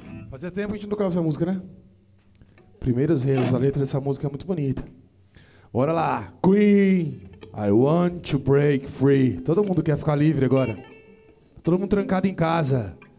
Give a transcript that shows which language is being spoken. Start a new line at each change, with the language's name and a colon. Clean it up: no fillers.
Portuguese: Fazia tempo que a gente não tocava essa música, né? Primeiros Reis, a letra dessa música é muito bonita. Bora lá.
English: Queen, I want to break free.
Portuguese: Todo mundo quer ficar livre agora. Todo mundo trancado em casa.